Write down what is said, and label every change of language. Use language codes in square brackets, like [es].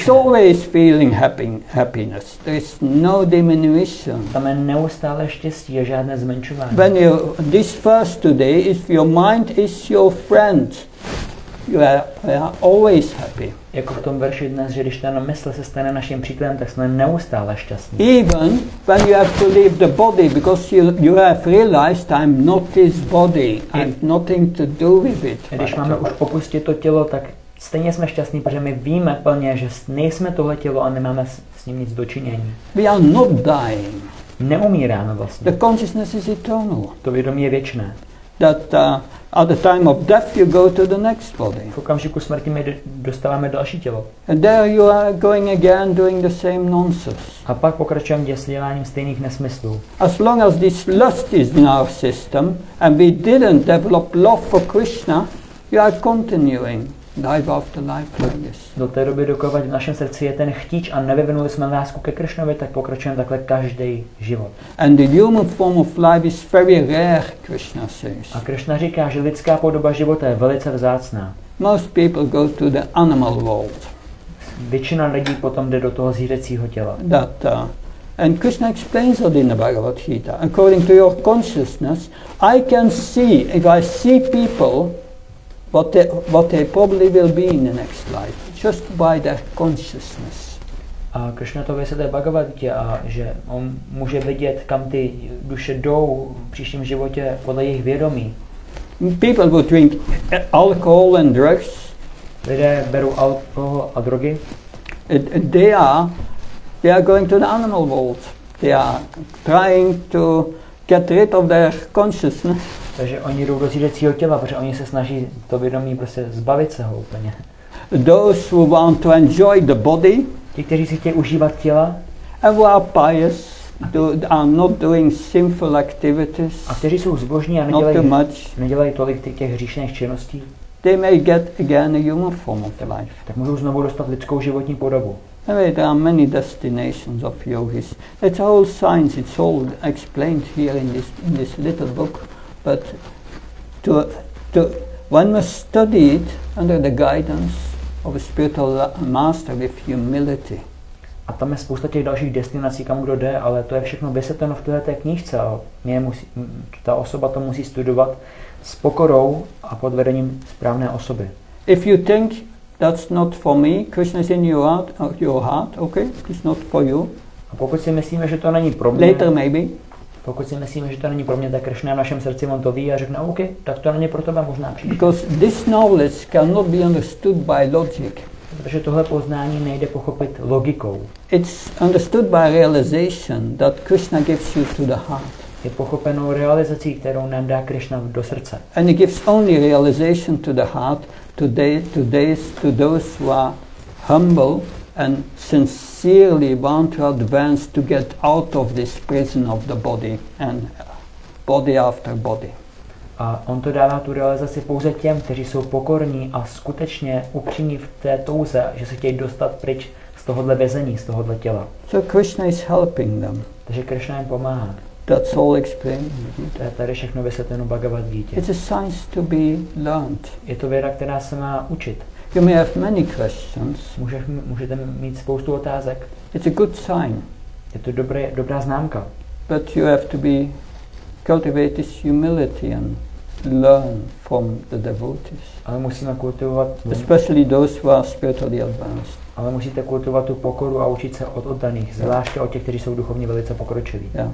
[en] It's always feeling happiness. There is no diminution. [cs] Tam je neustále štěstí a žádné zmenšování. [en] When you this first today, if your mind is your friend, you are always happy. [cs] Jako v tom verši dnes, že když ten mysl se stane naším přítelem, tak jsme neustále šťastní. [en] Even when you have to leave the body, because you have realized I'm not this body, I'm nothing to do with it. [cs] Když máme už opustit to tělo, tak stejně jsme šťastní, protože my víme plně, že nejsme tohle tělo a nemáme s ním nic dočinění. [en] We are not dying. [cs] Neumíráme vlastně. [en] The consciousness is eternal. [cs] To vědomí je věčné. [en] That at the time of death you go to the next body. [cs] V okamžiku smrti my dostáváme další tělo. [en] And there you are going again doing the same nonsense. [cs] A pak pokračujeme děsíláním stejných nesmyslů. [en] As long as this lust is in our system and we didn't develop love for Krishna, you are continuing life after life like this. [cs] Do té doby, dokud v našem srdci je ten chtíč a nevyvinuli jsme lásku ke Krishnovi, tak pokračujeme takhle každý život. [en] And the human form of life is very rare, Krishna says. [cs] A Krishna říká, že lidská podoba života je velice vzácná. [en] Most people go to the animal world. [cs] Většina lidí potom jde do toho zvířecího těla. [en] That, and Krishna explains it in the Bhagavad Gita. According to your consciousness, I can see, if I see people, what they probably will be in the next life, just by their consciousness. [cs] A Krishna to vysvětluje v Bhagavad Gita, a že on může vidět, kam ty duše jdou v příštím životě podle jejich vědomí. [en] People who drink alcohol and drugs. [cs] Lidé berou alkohol a drogy. [en] They are going to the animal world. They are trying to get rid of their consciousness. [cs] Takže oni jdou do zvířecího těla, protože oni se snaží to vědomí prostě zbavit se ho úplně. [en] Those who want to enjoy the body. [cs] Ti, kteří si chtějí užívat těla. [en] And who are pious, are not doing sinful activities. [cs] A kteří jsou zbožní a nedělají tolik těch hříšných činností. [en] They may get again a human form of life. [cs] Tak můžou znovu dostat lidskou životní podobu. [en] Anyway, there are many destinations of yogis. It's all science, it's all explained here in this little book. But to one must study it under the guidance of a spiritual master with humility. [cs] A tam je spousta těch dalších destinací, kam kdo jde, ale to je všechno vysvětleno v té knížce. Ta osoba to musí studovat s pokorou a pod vedením správné osoby. [en] If you think that's not for me, Krishna is in your heart, okay? It's not for you. [cs] A pokud si myslíme, že to není pro mě. [en] Later maybe. [cs] Pokud si myslíme, že to není pro mě, tak Krishna v našem srdci on to ví a řekne, OK, tak to není pro tebe, možná příště. [en] Because this knowledge cannot be understood by logic. [cs] Protože tohle poznání nejde pochopit logikou. [en] It's understood by realization that Krishna gives you to the heart. [cs] Je pochopeno realizací, kterou nám dá Krishna do srdce. [en] And he gives only realization to the heart to those who are humble and sincerely want to advance to get out of this prison of the body and body after body. [cs] A on to dává tu realizaci pouze těm, kteří jsou pokorní a skutečně upřímní v té touze, že se chtějí dostat pryč z tohohle vězení, z tohohle těla. [en] So Krishna is helping them. [cs] Takže Krishna jim pomáhá. [en] That's all explained. [cs] To je tady všechno vysvětleno Bhagavad Gita. [en] It's a science to be learned. [cs] Je to věda, která se má učit. [en] You may have many questions. [cs] Můžete mít spoustu otázek. [en] It's a good sign. [cs] Je to dobrá známka. [en] But you have to be cultivate this humility and learn from the devotees. [cs] Ale musíme kultivovat. Especially those who are spiritually advanced. ale musíte kultivovat tu pokoru a učit se od oddaných, zvláště od těch, kteří jsou duchovně velice pokročilí.